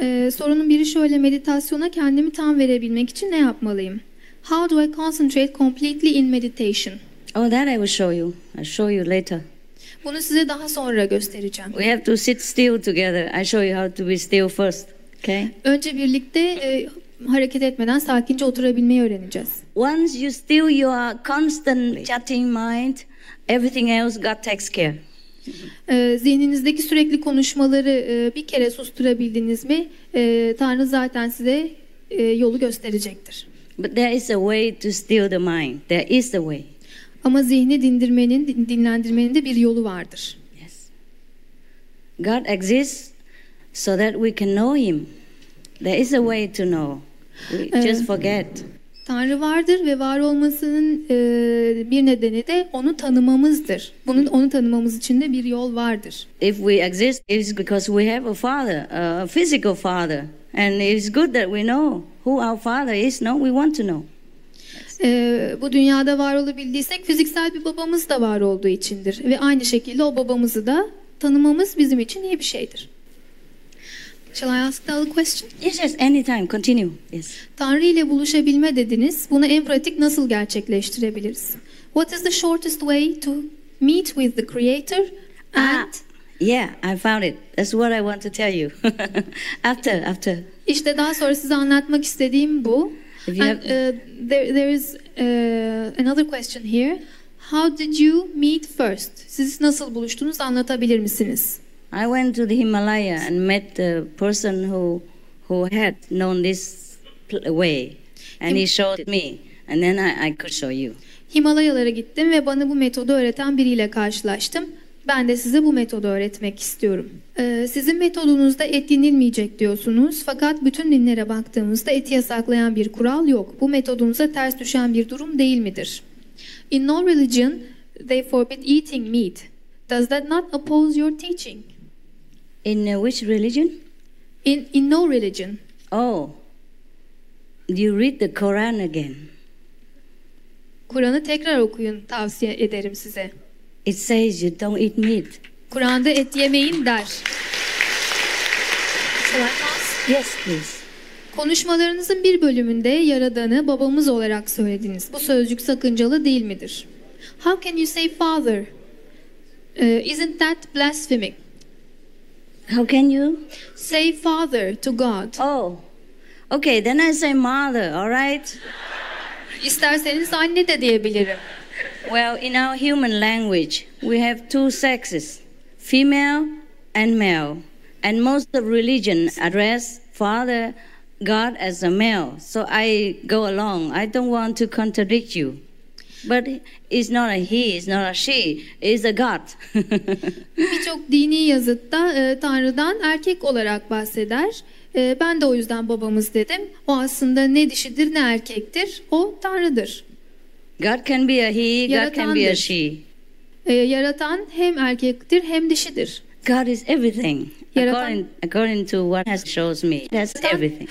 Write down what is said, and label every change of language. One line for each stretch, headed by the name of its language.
Turkish: Sorunun biri şöyle, meditasyona kendimi tam verebilmek için ne yapmalıyım?
English: How do I concentrate completely in meditation? Oh, that I will show you. I'll show you later.
Turkish: Bunu size daha sonra göstereceğim.
English: We have to sit still together. I show you how to be still first. Okay?
Turkish: Önce birlikte hareket etmeden sakince oturabilmeyi öğreneceğiz.
English: Once you still your constant chatting mind, everything else God takes care.
Turkish: Zihninizdeki sürekli konuşmaları bir kere susturabildiniz mi, Tanrı zaten size yolu gösterecektir.
English: But there is a way to still the mind. There is a way.
Turkish: Ama zihni dindirmenin, dinlendirmenin de bir yolu vardır.
English: Yes. God exists so that we can know Him. There is a way to know. We just forget.
Turkish: Tanrı vardır ve var olmasının bir nedeni de onu tanımamızdır. Bunun onu tanımamız için de bir yol vardır.
English: If we exist, it's because we have a father, a physical father, and it's good that we know who our father is. Now we want to know.
Turkish: Bu dünyada var olabildiysek fiziksel bir babamız da var olduğu içindir ve aynı şekilde o babamızı da tanımamız bizim için iyi bir şeydir.
English: Shall I ask the other question? Yes, yes, anytime. Continue. Yes.
Turkish: Tanrı ile buluşabilme dediniz. Bunu en pratik nasıl gerçekleştirebiliriz?
English: What is the shortest way to meet with the Creator? Yeah, I found it. That's what I want to tell you. after.
Turkish: İşte daha sonra size anlatmak istediğim bu.
English: There is another question here. How did you meet first?
Turkish: Siz nasıl buluştunuz? Anlatabilir misiniz?
English: I went to the Himalaya and met the person who had known this way, and he showed me, and then I could show you.
Turkish: Himalayalara gittim ve bana bu metodu öğreten biriyle karşılaştım. Ben de size bu metodu öğretmek istiyorum. Sizin metodunuzda et yenilmeyecek diyorsunuz, fakat bütün dinlere baktığımızda eti yasaklayan bir kural yok. Bu metodunuza ters düşen bir durum değil midir?
English: In no religion they forbid eating meat. Does that not oppose your teaching? In which religion? In no religion. Oh. Do you read the Quran again?
Turkish: Kur'an'ı tekrar okuyun, tavsiye ederim size.
English: It says you don't eat meat.
Turkish: Kur'an'da et yemeyin der.
English: Yes, please.
Turkish: Konuşmalarınızın bir bölümünde Yaradan'ı babamız olarak söylediniz. Bu sözcük sakıncalı değil midir?
English: How can you say father? Isn't that blasphemy? How can you say father to God? Oh, okay. Then I say mother. All right.
Turkish: İsterseniz anne de diyebilirim.
English: Well, in our human language, we have two sexes, female and male, and most of religion address father, God as a male. So I go along. I don't want to contradict you. But it's not a he, it's not a she, it's a God.
Turkish: Birçok dini yazıtta Tanrı'dan erkek olarak bahseder. Ben de o yüzden babamız dedim. O aslında ne dişidir ne erkektir, o Tanrı'dır.
English: God can be a he, God can be a she.
Turkish: Yaratan hem erkektir hem dişidir.
English: God is everything. According to what has shows me, that's everything.